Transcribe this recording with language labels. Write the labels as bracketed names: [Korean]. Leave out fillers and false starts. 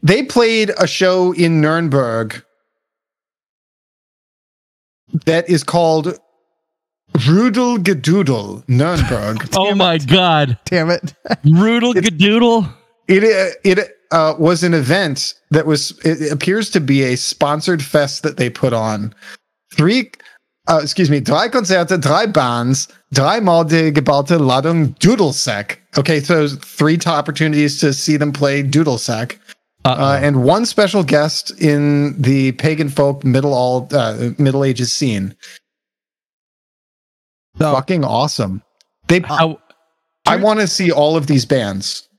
[English] They played a show in Nuremberg that is called Rudel Gedudel, Nuremberg. Oh, my God. Damn it. [German] Rudel Gedudel. [English] Was an event that was, it appears to be a sponsored fest that they put on. [German] Drei Konzerte, drei Bands, drei Mal die geballte Ladung Dudelsack. [English] Okay, so three opportunities to see them play Dudelsack. And one special guest in the pagan folk Middle Ages scene. So, fucking awesome. I want to see all of these bands.